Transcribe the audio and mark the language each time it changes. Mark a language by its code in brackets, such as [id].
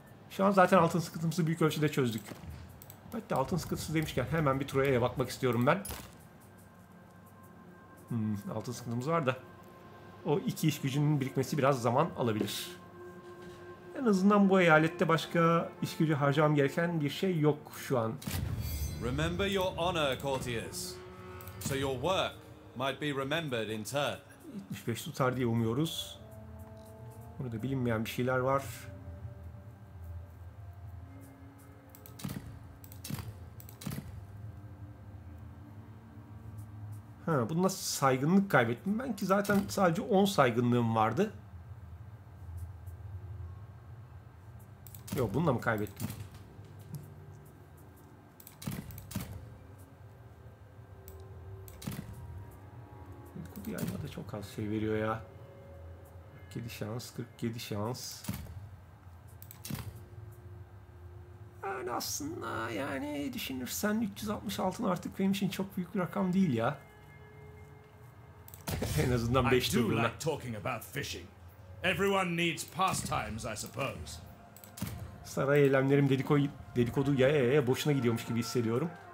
[tr] Şu an zaten altın sıkıntımızı büyük ölçüde çözdük. Hatta altın sıkıntısı demişken hemen bir Troya'ya bakmak istiyorum ben. Altın sıkıntımız var da. O iki iş gücünün birikmesi biraz zaman alabilir. En azından bu eyalette başka iş gücü harcamam gereken bir şey yok şu an. [en] Remember your honor, courtiers. So your work might be remembered in turn. [tr] 75 tutar diye umuyoruz. Burada bilinmeyen bir şeyler var. Ha, bununla saygınlık kaybettim. Ben ki zaten sadece 10 saygınlığım vardı. Yok, bununla mı kaybettim? Yayma da çok az şey veriyor ya. 47 şans, 47 şans. Yani aslında yani düşünürsen 360 altın artık benim için çok büyük bir rakam değil ya. En azından 5 turuna. [en] I do like talking about fishing. Everyone needs pastimes, I suppose. [tr] Saray eylemlerim dedikodu ya boşuna gidiyormuş gibi hissediyorum.